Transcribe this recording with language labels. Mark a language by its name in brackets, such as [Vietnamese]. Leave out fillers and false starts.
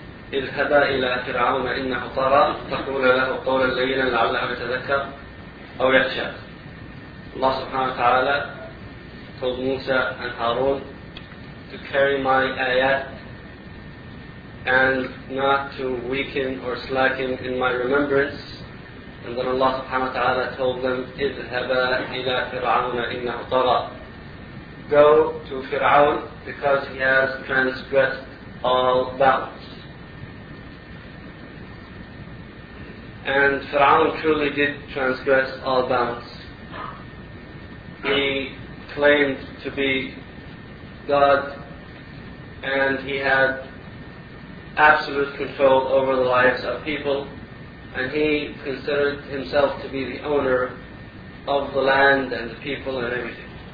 [Arabic] اذهبا إلى فرعون إنه طغى فقولا له قولا لينا لعله يتذكر أو يخشى. [English] الله سبحانه وتعالى told موسى and هارون to carry my ayat and not to weaken or slacken in my remembrance. And then Allah سبحانه وتعالى told them [Arabic] اذهبا إلى فرعون إنه طغى. [English] Go to فرعون because he has transgressed all bounds. And Fir'aun truly did transgress all bounds. He claimed to be God and he had absolute control over the lives of people, and he considered himself to be the owner of the land and the people and everything.